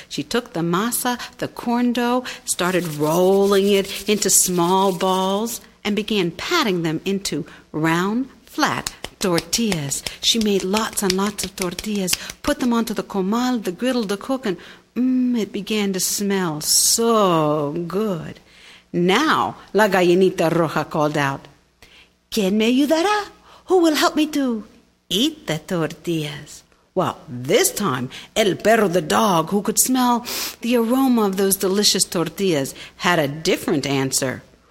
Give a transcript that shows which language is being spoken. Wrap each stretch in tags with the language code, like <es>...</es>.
<en>She took the masa, the corn dough, started rolling it into small balls, and began patting them into round, flat tortillas. She made lots and lots of tortillas, put them onto the comal, the griddle, the cook, and it began to smell so good. Now La Gallinita Roja called out,</en> <es>¿Quién me ayudará?</es> <en>Who will help me to eat the tortillas? Well, this time, El Perro the dog, who could smell the aroma of those delicious tortillas, had a different answer.</en>